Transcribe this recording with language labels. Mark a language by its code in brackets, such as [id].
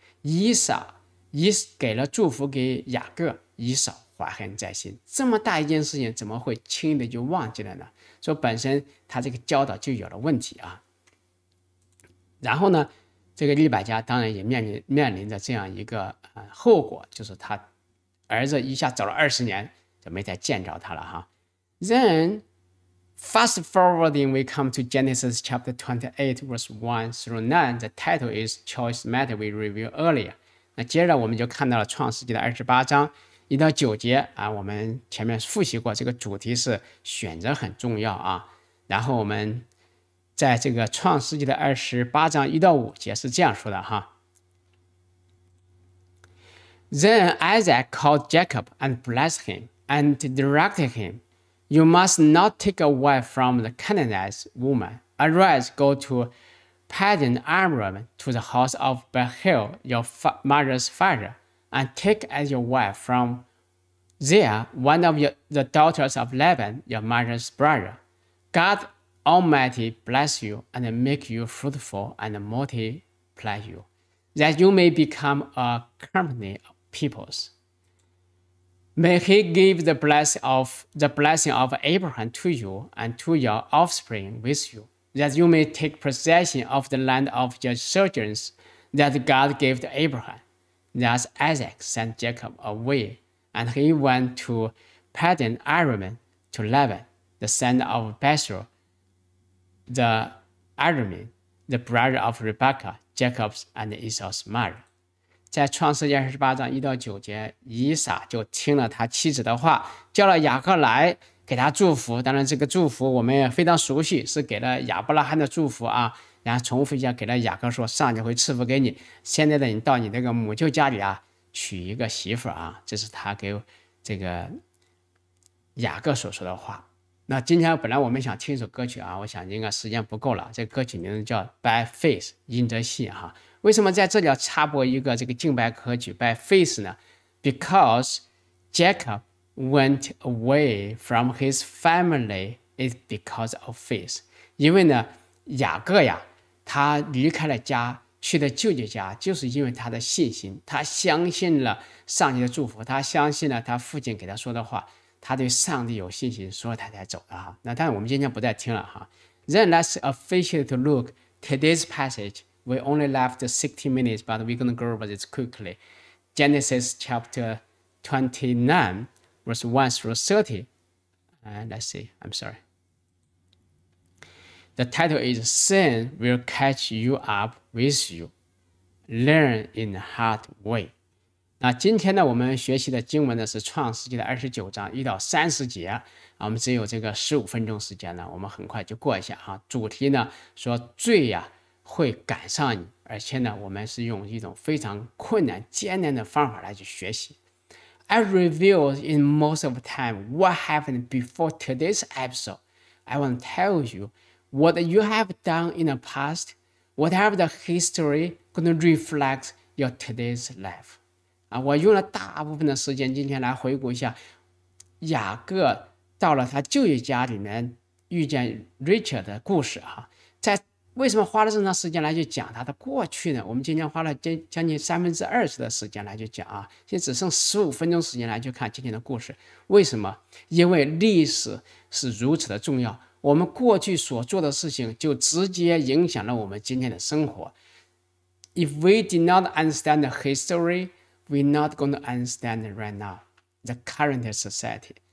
[zh] 以扫给了祝福给雅各，以扫怀恨在心，这么大一件事情怎么会轻易的就忘记了呢？所以本身他这个教导就有了问题啊。然后呢，这个利百加当然也面临着这样一个后果，就是他儿子一下走了20年就没再见着他了哈。 [en] Then fast forwarding, we come to Genesis chapter 28, verse 1 through 9. The title is Choice Matter we reviewed earlier. [zh] 那接着我们就看到了创世纪的28:1-9啊，我们前面复习过，这个主题是选择很重要啊。然后我们在这个创世纪的28:1-5是这样说的哈。 [en] Then Isaac called Jacob and blessed him and directed him. You must not take a wife from the Canaanite woman. Arise, go to Paddan Aram, to the house of Bethuel, your mother's father, and take as your wife from there one of the daughters of Laban, your mother's brother. God Almighty bless you and make you fruitful and multiply you, that you may become a company peoples. May he give the blessing of Abraham to you and to your offspring with you, that you may take possession of the land of your sojourns that God gave to Abraham. Thus Isaac sent Jacob away, and he went to Paddan Aram to Laban, the son of Bethuel, the Aramean, the brother of Rebekah, Jacob's and Esau's mother. [zh] 在创世纪二十八章一到九节，以撒就听了他妻子的话，叫了雅各来给他祝福。当然，这个祝福我们也非常熟悉，是给了亚伯拉罕的祝福啊。然后重复一下，给了雅各说：“上帝会赐福给你。现在的你到你那个母舅家里啊，娶一个媳妇啊。” 这是他给这个雅各所说的话。那今天本来我们想听一首歌曲啊，我想应该时间不够了。这个歌曲名字叫《By Faith》，因着信哈。为什么在这里要插播一个这个敬拜歌曲 By Faith 呢？ [en] Because Jacob went away from his family is because of faith. [zh] 因为呢，雅各呀，他离开了家，去了舅舅家，就是因为他的信心，他相信了上帝的祝福，他相信了他父亲给他说的话，他对上帝有信心，所以他才走的哈。那但我们今天不再听了哈。 [en] Then let's officially look today's passage. We only left 60 minutes, but we're going to go over this quickly. Genesis chapter 29, verse 1 through 30. The title is Sin Will Catch You Up With You. Learn in the Hard Way. [zh] 那今天呢，我们学习的经文呢是创世纪的29章1到30节。啊，我们只有这个15分钟时间呢，我们很快就过一下啊。主题呢说罪呀、啊。会赶上你，而且呢，我们是用一种非常困难、艰难的方法来去学习。 [en] I reveal in most of time what happened before today's episode. I want to tell you what you have done in the past, whatever the history going to reflect your today's life. [zh] 啊，我用了大部分的时间今天来回顾一下雅各到了他舅舅家里面遇见 Richard 的故事啊，在。为什么花了这么长时间来去讲他的过去呢？我们今天花了将近三分之二的时间来去讲啊，现在只剩十五分钟时间来去看今天的故事。为什么？因为历史是如此的重要，我们过去所做的事情就直接影响了我们今天的生活。 [en] If we did not understand the history, we're not going to understand right now the current society.